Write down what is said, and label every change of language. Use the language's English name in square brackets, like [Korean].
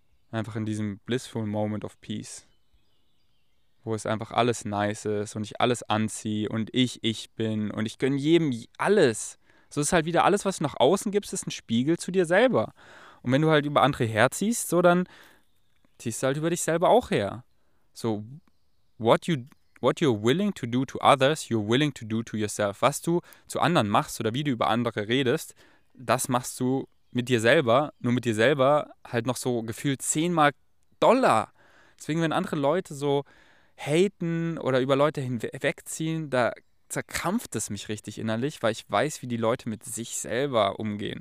[German] Einfach in diesem [English] blissful moment of peace, [German] wo es einfach alles nice ist und ich alles anziehe und ich bin und ich gönne jedem alles. So ist halt wieder alles, was du nach außen gibst, ist ein Spiegel zu dir selber. Und wenn du halt über andere herziehst, so dann ziehst du halt über dich selber auch her. [English] So, what you're willing to do to others, you're willing to do to yourself. [German] Was du zu anderen machst oder wie du über andere redest, das machst du mit dir selber, nur mit dir selber halt noch so gefühlt 10-mal Dollar. Deswegen, wenn andere Leute so haten oder über Leute hinwegziehen, da zerkrampft es mich richtig innerlich, weil ich weiß, wie die Leute mit sich selber umgehen.